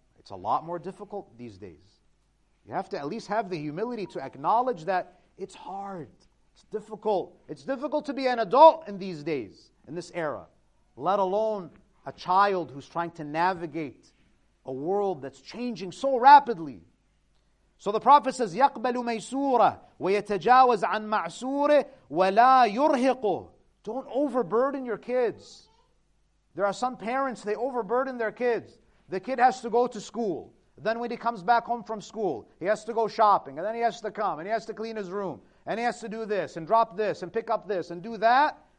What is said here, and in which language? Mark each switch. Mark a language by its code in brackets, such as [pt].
[en] It's a lot more difficult these days. You have to at least have the humility to acknowledge that it's hard. It's difficult. It's difficult to be an adult in these days, in this era, let alone a child who's trying to navigate a world that's changing so rapidly. So the Prophet says, [ar] يَقْبَلُ مَيْسُورَ وَيَتَجَاوَزْ عَنْ مَعْسُورِ وَلَا يُرْهِقُ. [en] Don't overburden your kids. There are some parents, they overburden their kids. The kid has to go to school. Then when he comes back home from school, he has to go shopping, and then he has to come, and he has to clean his room, and he has to do this, and drop this, and pick up this, and do that.